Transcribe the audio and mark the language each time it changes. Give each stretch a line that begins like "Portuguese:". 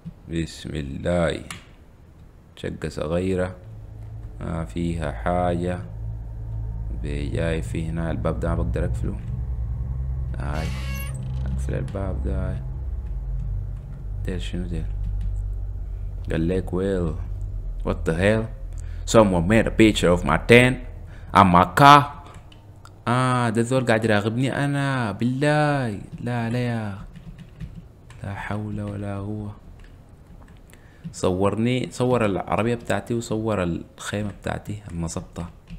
Arabic: بسم الله. شقة صغيرة ما فيها حاجة. بيجاي في هنا الباب ده بقدر اقفله. هاي اقفل الباب ده. دير شنو دير؟ قال لك ويل وات ذا هيل.
English: Someone made a picture of my tent and my car.
Arabic: ده ذول قاعد يراقبني انا. بالله لا لا يا لا حول ولا قوة. صورني، صور العربية بتاعتي وصور الخيمة بتاعتي المظبطة.